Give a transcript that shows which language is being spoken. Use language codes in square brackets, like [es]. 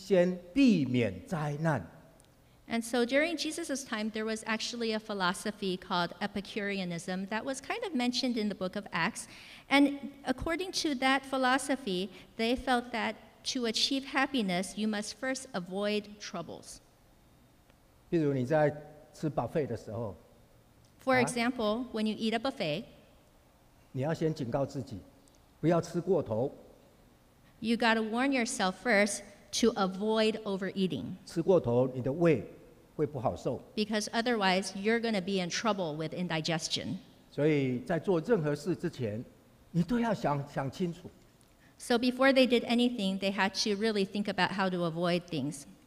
[zh] 其实在耶稣的那个时代，有一种哲学的思想，在《使徒行传》有提到，叫做伊比古流，英文叫做Epicurean。啊，这种人，他们就指出，人如果要得到快乐，就必须先避免灾难。 [en] And so during Jesus' time, there was actually a philosophy called Epicureanism that was kind of mentioned in the book of Acts. And according to that philosophy, they felt that to achieve happiness, you must first avoid troubles. [zh] 比如你在吃 buffet 的时候, [en] For example, when you eat a buffet, [zh] 你要先警告自己, 不要吃过头。 [en] You got to warn yourself first to avoid overeating. [zh] 吃过头你的胃 [en] Because otherwise, you're going to be in trouble with indigestion. [zh] 所以在做任何事之前，你都要想想清楚。 [en] So before they did anything, they had to really think about how to avoid things.